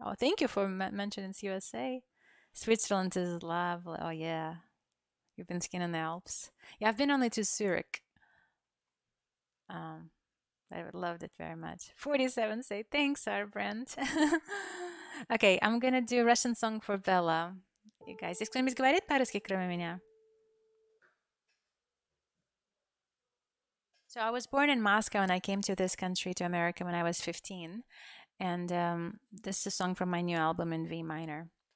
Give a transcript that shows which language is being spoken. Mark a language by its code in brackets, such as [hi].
[en] Oh, thank you for mentioning USA. Switzerland is lovely. Oh, yeah. You've been skiing in the Alps. Yeah, I've been only to Zurich. I would love it very much. 47 say, thanks, our brand. Okay, I'm going to do a Russian song for Bella. You guys, [ru] есть кто-нибудь говорит по-русски, кроме меня? [en] So I was born in Moscow and I came to this country, to America, when I was 15. And this is a song from my new album in V minor.